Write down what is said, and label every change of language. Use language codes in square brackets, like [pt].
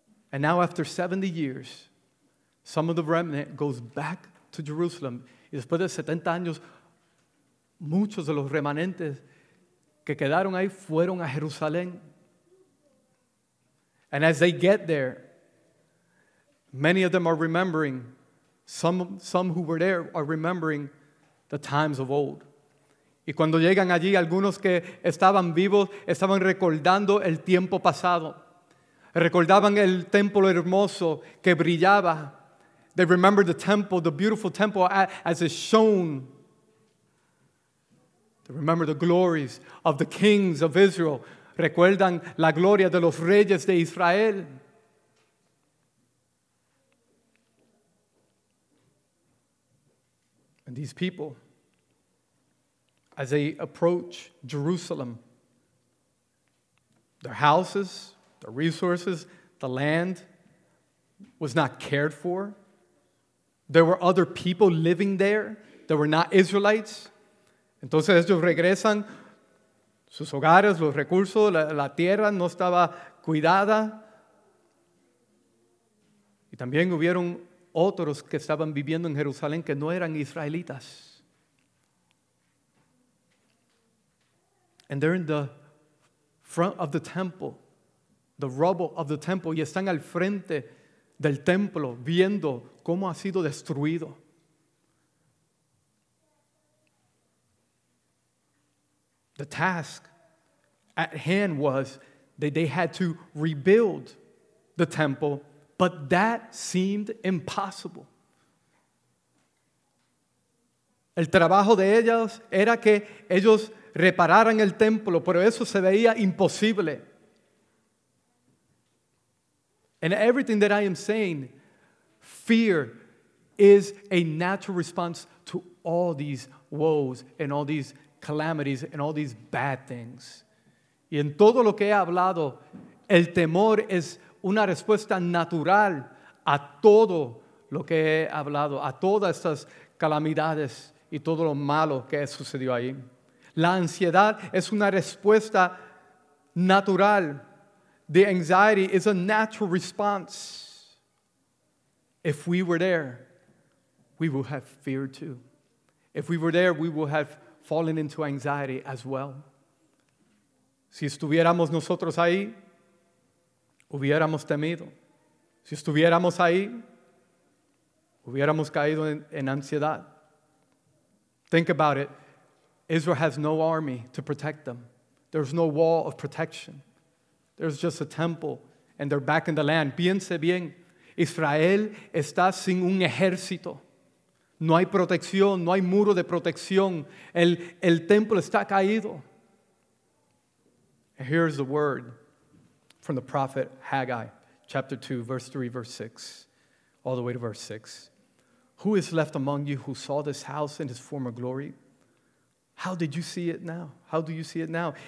[en] And now after 70 years, some of the remnant goes back to Jerusalem. [es] Y después de 70 años, muchos de los remanentes que quedaron ahí fueron a Jerusalén. [en] And as they get there, many of them are remembering, some who were there are remembering the times of old. [es] Y cuando llegan allí, algunos que estaban vivos estaban recordando el tiempo pasado. Recordaban el templo hermoso que brillaba. [en] They remembered the temple, the beautiful temple as it shone. They remember the glories of the kings of Israel. [es] Recuerdan la gloria de los reyes de Israel. [en] And these people, as they approach Jerusalem, their houses, the resources, the land was not cared for. There were other people living there that were not Israelites. [es] Entonces ellos regresan, sus hogares, los recursos, la tierra no estaba cuidada. Y también hubieron otros que estaban viviendo en Jerusalén que no eran israelitas. [en] And they're in the front of the temple, the rubble of the temple, [es] y están al frente del templo viendo cómo ha sido destruido. [en] The task at hand was that they had to rebuild the temple, but that seemed impossible. [es] El trabajo de ellos era que ellos repararan el templo, pero eso se veía imposible. [en] And everything that I am saying, fear is a natural response to all these woes and all these calamities and all these bad things. [es] Y en todo lo que he hablado, el temor es una respuesta natural a todo lo que he hablado, a todas estas calamidades y todo lo malo que sucedió ahí. La ansiedad es una respuesta natural. [en] The anxiety is a natural response. If we were there, we would have fear too. If we were there, we would have fallen into anxiety as well. [es] Si estuviéramos nosotros ahí, hubiéramos temido. Si estuviéramos ahí, hubiéramos caído en ansiedad. [en] Think about it. Israel has no army to protect them. There's no wall of protection. There's just a temple, and they're back in the land. [es] Piense bien, Israel está sin un ejército. No hay protección, no hay muro de protección. El templo está caído. [en] And here's the word from the prophet Haggai, chapter 2, verse 3, verse 6, all the way to verse 6. Who is left among you who saw this house in its former glory? How did you see it now? How do you see it now?